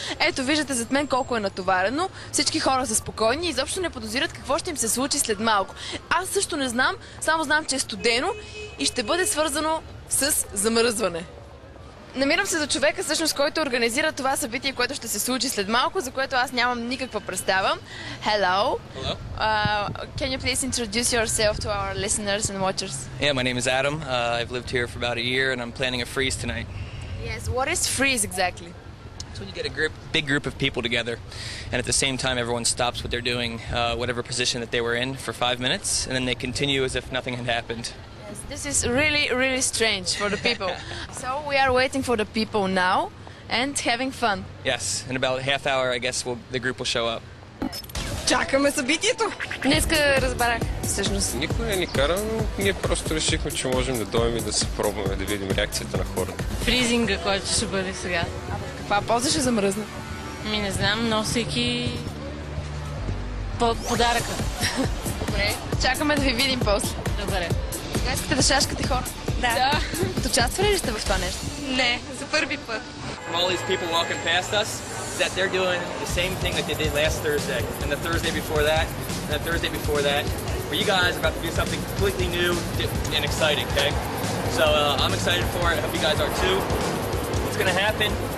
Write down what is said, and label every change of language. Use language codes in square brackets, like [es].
[bg] Ето, виждате зад мен колко е натоварено. Всички хора са спокойни и изобщо не подозират какво ще им се случи след малко. Аз също не знам, само знам, че е студено и ще бъде свързано с замръзване. Намирам се за човека, всъщност, който организира това събитие, което ще се случи след малко, за което аз нямам никаква представа. [en] Hello. Hello. Can you please introduce yourself to our listeners and watchers? Yeah, my name is Adam. I've lived here for about a year and I'm planning a freeze tonight. Yes, what is freeze exactly? It's when you get a big group of people together and at the same time everyone stops what they're doing, whatever position that they were in for 5 minutes and then they continue as if nothing had happened. This is really, really strange for the people. So we are waiting for the people now and having fun. Yes, in about a half hour, I guess, the group will show up. [bg] Чакаме събитието! Днеска разбрах, всъщност. Никой не ни кара, но ние просто решихме, че можем да дойдем и да се пробваме, да видим реакцията на хората. Фризинга, който ще бъде сега. Каква поза ще замръзна? Ми не знам, носейки подаръка. Добре, чакаме да ви видим после. Добре. Тогава искате да шашкате хора? Да. Като участвали ли сте в това нещо? Не, за първи път. [en] From all these people walking past us, that they're doing the same thing that they did last Thursday, and the Thursday before that, and the Thursday before that. But you guys are about to do something completely new and exciting, okay? So I'm excited for it, I hope you guys are too. What's gonna happen?